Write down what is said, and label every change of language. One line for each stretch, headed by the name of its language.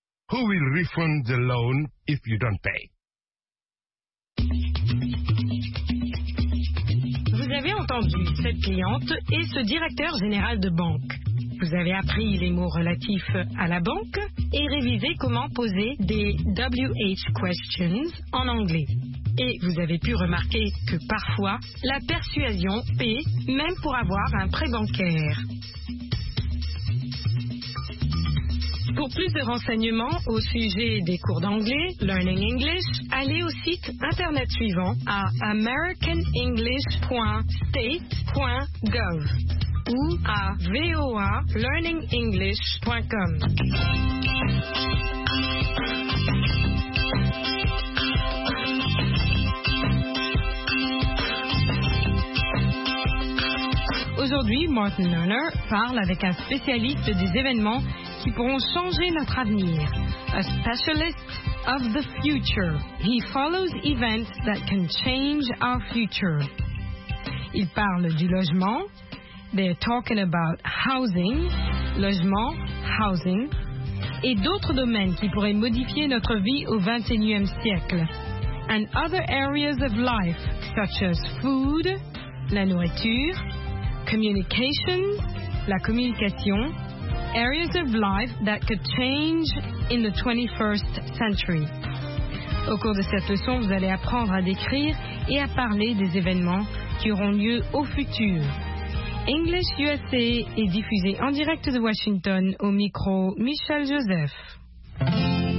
English: Who will refund the loan if you don't pay?
French: Vous avez entendu cette cliente et ce directeur général de banque. Vous avez appris les mots relatifs à la banque et révisé comment poser des WH questions en anglais. Et vous avez pu remarquer que parfois, la persuasion paie même pour avoir un prêt bancaire. Pour plus de renseignements au sujet des cours d'anglais, Learning English, allez au site internet suivant à americanenglish.state.gov ou à voalearningenglish.com. Aujourd'hui, Martin Lerner parle avec un spécialiste des événements qui pourront changer notre avenir.
English: A specialist of the future. He follows events that can change our future.
French: Il parle du logement.
English: They're talking about housing.
French: Logement, housing. Et d'autres domaines qui pourraient modifier notre vie au 21e siècle.
English: And other areas of life, such as food, la nourriture, communication, la communication, areas of life that could change in the 21st century.
French: Au cours de cette leçon, vous allez apprendre à décrire et à parler des événements qui auront lieu au futur. English USA est diffusé en direct de Washington au micro Michel Joseph.